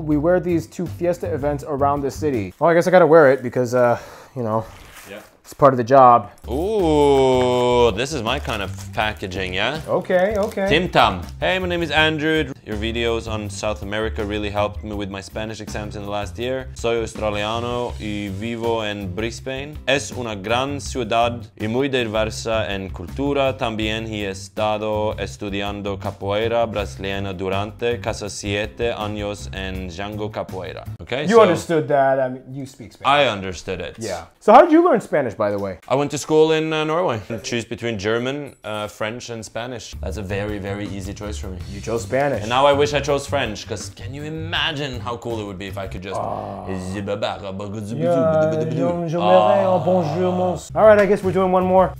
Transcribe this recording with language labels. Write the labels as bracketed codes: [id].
[en] We wear these to fiesta events around the city. Well, I guess I gotta wear it because, you know, yeah. It's part of the job. Ooh, this is my kind of packaging, yeah? Okay, okay. Tim Tam. Hey, my name is Andrew. Your videos on South America really helped me with my Spanish exams in the last year. [es] Soy australiano y vivo en Brisbane. Es una gran ciudad y muy diversa en cultura. También he estado estudiando capoeira brasileña durante casi 7 años en Django Capoeira. [en] Okay, you so understood that. I mean, you speak Spanish. I understood it. Yeah. So how did you learn Spanish, by the way? I went to school in Norway. Choose between German, French, and Spanish. That's a very, very easy choice for me. You chose Spanish. And now I wish I chose French, because can you imagine how cool it would be if I could just... All right, I guess we're doing one more.